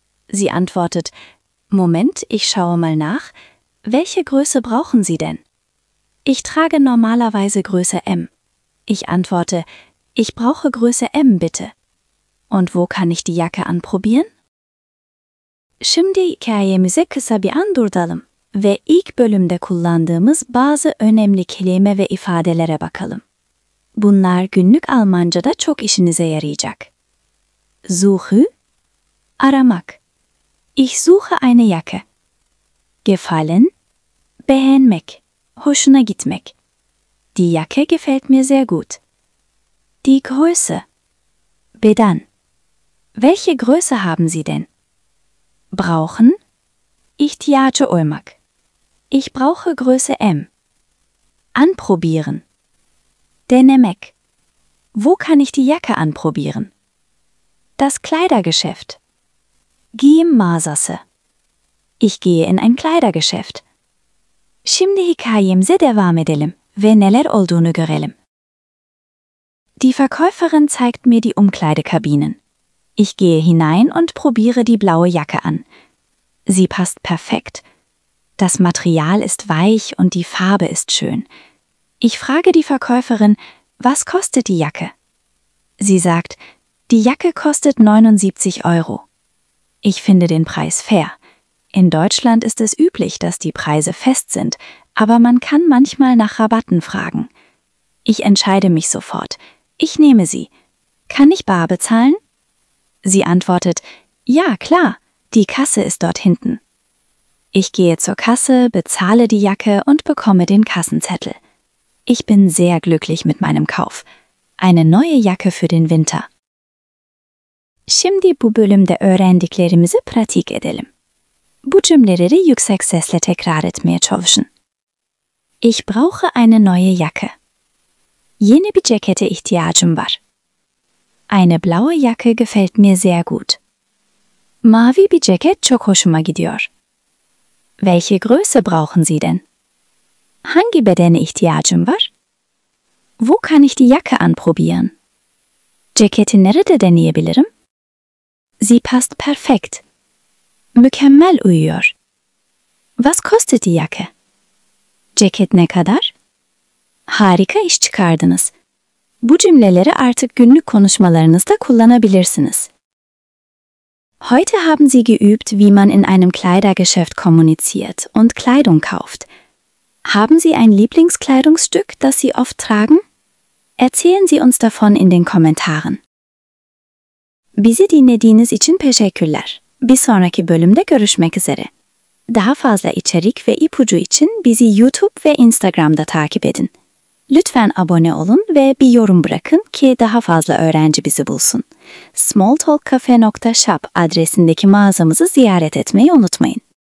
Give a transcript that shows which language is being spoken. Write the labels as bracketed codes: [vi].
[de] Sie antwortet, Moment, ich schaue mal nach. Welche Größe brauchen Sie denn? Ich trage normalerweise Größe M. Ich antworte, ich brauche Größe M, bitte. Und wo kann ich die Jacke anprobieren? [tr] Şimdi hikayemize kısa bir an durdalım. Ve ilk bölümde kullandığımız bazı önemli kelime ve ifadelere bakalım. Bunlar günlük Almanca'da çok işinize yarayacak. Suche, aramak. [de] Ich suche eine Jacke. Gefallen, [tr] beğenmek, hoşuna gitmek. [de] Die Jacke gefällt mir sehr gut. Die Größe, beden. Welche Größe haben Sie denn? [tr] Brauchen, ihtiyacı olmak. [de] Ich brauche Größe M. Anprobieren. Denemek. Wo kann ich die Jacke anprobieren? Das Kleidergeschäft. [tr] Giyim mağazası. [de] Ich gehe in ein Kleidergeschäft. [tr] Şimdi hikayemize devam edelim ve neler olduğunu görelim. [de] Die Verkäuferin zeigt mir die Umkleidekabinen. Ich gehe hinein und probiere die blaue Jacke an. Sie passt perfekt. Das Material ist weich und die Farbe ist schön. Ich frage die Verkäuferin, was kostet die Jacke? Sie sagt, die Jacke kostet 79 Euro. Ich finde den Preis fair. In Deutschland ist es üblich, dass die Preise fest sind, aber man kann manchmal nach Rabatten fragen. Ich entscheide mich sofort. Ich nehme sie. Kann ich bar bezahlen? Sie antwortet, ja, klar, die Kasse ist dort hinten. Ich gehe zur Kasse, bezahle die Jacke und bekomme den Kassenzettel. Ich bin sehr glücklich mit meinem Kauf. Eine neue Jacke für den Winter. [tr] Şimdi bu bölümde öğrendiklerimizi pratik edelim. Bu cümleleri yüksek sesle tekrar etmeye çalışın. [de] Ich brauche eine neue Jacke. [tr] Yeni bir cekete ihtiyacım var. [de] Eine blaue Jacke gefällt mir sehr gut. [tr] Mavi bir ceket çok hoşuma gidiyor. [de] Welche Größe brauchen Sie denn? [tr] Hangi bedene ihtiyacım var? [de] Wo kann ich die Jacke anprobieren? [tr] Ceketi nerede deneyebilirim? [de] Sie passt perfekt. [tr] Mükemmel uyuyor. [de] Was kostet die Jacke? [tr] Ceket ne kadar? Harika iş çıkardınız. Bu cümleleri artık günlük konuşmalarınızda kullanabilirsiniz. [de] Heute haben Sie geübt, wie man in einem Kleidergeschäft kommuniziert und Kleidung kauft. Haben Sie ein Lieblingskleidungsstück, das Sie oft tragen? Erzählen Sie uns davon in den Kommentaren. [tr] Bizi dinlediğiniz için teşekkürler. Bir sonraki bölümde görüşmek üzere. Daha fazla içerik ve ipucu için bizi YouTube ve Instagram'da takip edin. Lütfen abone olun ve bir yorum bırakın ki daha fazla öğrenci bizi bulsun. smalltalkcafe.shop adresindeki mağazamızı ziyaret etmeyi unutmayın.